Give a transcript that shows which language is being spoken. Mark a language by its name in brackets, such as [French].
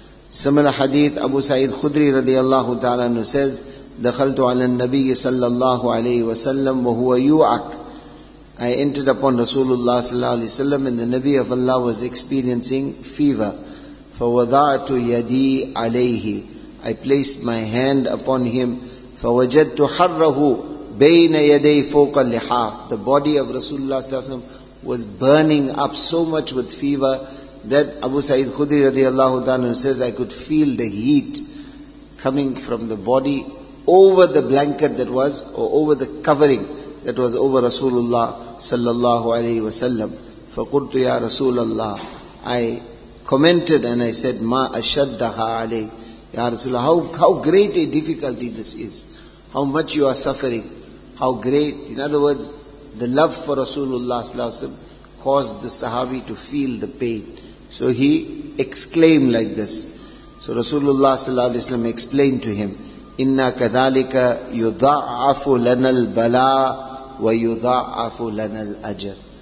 [English] Similar hadith, Abu Sa'id Khudri radiallahu ta'ala anhu says, [Arabic] دخلت على النبي صلى الله عليه وسلم وهو يوعك. [English] I entered upon Rasulullah صلى الله عليه وسلم and the Nabi of Allah was experiencing fever. [Arabic] فوضعت يدي عليه. [English] I placed my hand upon him. [Arabic] فوجدت حره بين يدي فوق اللحاف. [English] The body of Rasulullah صلى الله عليه وسلم was burning up so much with fever that Abu Sa'id Khudri رضي الله عنه says, I could feel the heat coming from the body over the blanket that was, or over the covering that was over Rasulullah sallallahu alayhi wa sallam. [Arabic] فَقُرْتُ يَا رَسُولَ اللَّهِ, [English] I commented and I said, [Arabic] مَا أَشَدَّهَا عَلَيْهِ. [English] Ya Rasulullah, how great a difficulty this is. How much you are suffering. How great. In other words, the love for Rasulullah sallallahu alayhi wa sallam caused the Sahabi to feel the pain. So he exclaimed like this. So Rasulullah sallallahu alayhi wa sallam explained to him, [Arabic] Inna kadalika yudha'afu lana al-bala wa yudha'afu lana al-ajr.